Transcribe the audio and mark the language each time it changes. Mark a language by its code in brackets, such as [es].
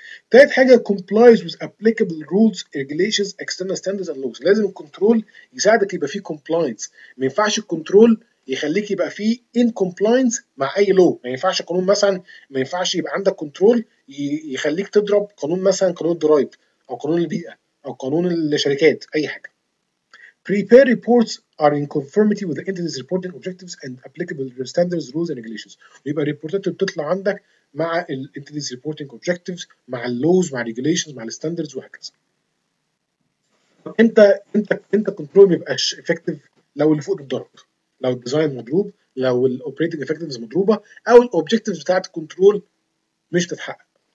[ar] تالت حاجة [en] complies with applicable rules, regulations, external standards and laws. [ar] لازم الكنترول يساعدك يبقى فيه compliance. ما ينفعش الكنترول يخليك يبقى فيه [en] in compliance [ar] مع أي law. ما ينفعش قانون مثلا، ما ينفعش يبقى عندك كنترول يخليك تضرب قانون مثلا قانون الضرايب أو قانون البيئة أو قانون الشركات أي حاجة. [en] Prepare reports are in conformity with the entity's reporting objectives and applicable standards, rules and regulations. [ar] ويبقى reportات بتطلع عندك مع ال [en] entity's reporting objectives، [ar] مع ال laws، مع regulations، مع ال standards وهكذا. انت control ميبقاش effective لو اللي فوق مضروب، لو design مضروب، لو ال [en] operating effectiveness [ar] مضروبة، او ال objectives بتاعة control مش بتتحقق.